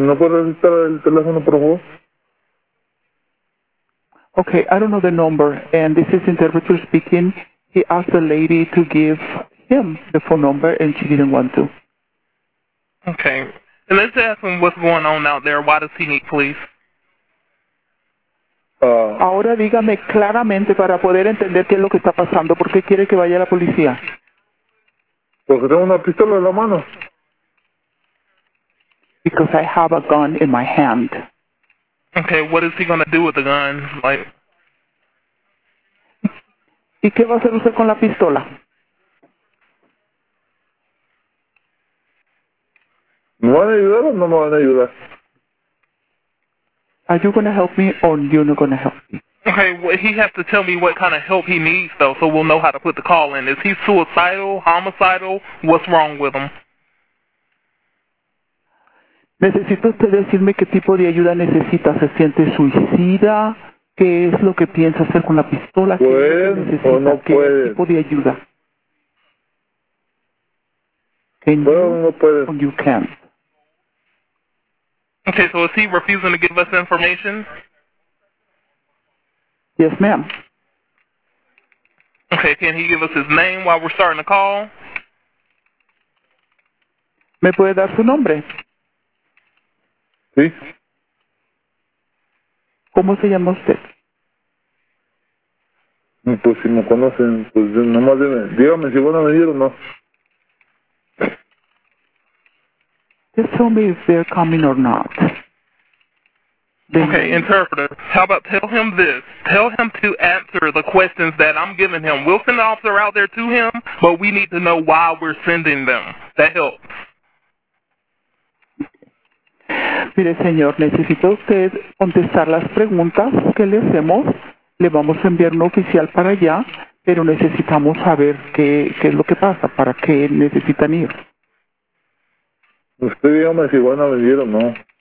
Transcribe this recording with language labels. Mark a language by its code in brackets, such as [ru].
[es] ¿No puedo registrar el teléfono, por favor? [en] Okay, I don't know the number, and this is interpreter speaking. He asked the lady to give him the phone number, and she didn't want to. Okay. And let's ask him what's going on out there. Why does he need police? [es] Ahora dígame claramente para poder entender qué es lo que está pasando. ¿Por qué quiere que vaya la policía? Porque tengo una pistola en la mano. [en] Because I have a gun in my hand. Okay, what is he going to do with the gun? Like... [es] ¿Y qué va a hacer usted con la pistola? ¿Me van a ayudar o no me van a ayudar? [en] Are you going to help me or you're not going to help me? Okay, well, he has to tell me what kind of help he needs, though, so we'll know how to put the call in. Is he suicidal, homicidal? What's wrong with him? [es] Necesito usted decirme qué tipo de ayuda necesita. ¿Se siente suicida? ¿Qué es lo que piensa hacer con la pistola? ¿Qué ¿Pueden o no ¿Qué pueden? ¿Qué tipo de ayuda? ¿Pueden o no pueden? [en] You can. Okay, so is he refusing to give us information? Yes, ma'am. Okay, can he give us his name while we're starting the call? [es] ¿Me puede dar su nombre? Sí. ¿Cómo se llama usted? Pues si me conocen, pues nomás dígame si van a venir o no. [en] Just tell me if they're coming or not. Okay, interpreter, how about tell him this? Tell him to answer the questions that I'm giving him. We'll send an officer out there to him, but we need to know why we're sending them. That helps. [es] Mire, señor, necesita usted contestar las preguntas que le hacemos. Le vamos a enviar un oficial para allá, pero necesitamos saber qué es lo que pasa, para qué necesitan ir. Usted dígame si van a venir o no.